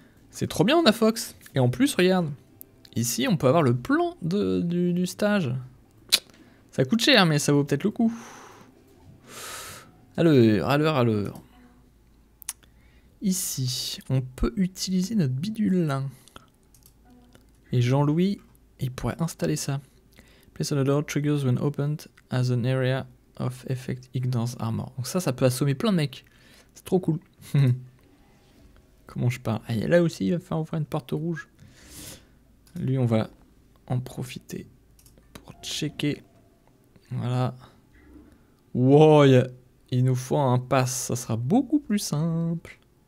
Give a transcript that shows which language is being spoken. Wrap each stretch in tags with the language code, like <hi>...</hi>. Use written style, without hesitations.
<fr>C'est trop bien, on a Fox. Et en plus, regarde. Ici, on peut avoir le plan du stage. Ça coûte cher, mais ça vaut peut-être le coup. À l'heure. Ici, on peut utiliser notre bidule. Et Jean-Louis, il pourrait installer ça.</fr> <en>Place on the door triggers when opened as an area of effect ignores armor.</en> <fr>Donc ça, ça peut assommer plein de mecs. C'est trop cool. Comment je parle? Ah, là aussi, il va falloir ouvrir une porte rouge. Lui, on va en profiter pour checker. Voilà. Wow, il nous faut un pass. Ça sera beaucoup plus simple.</fr>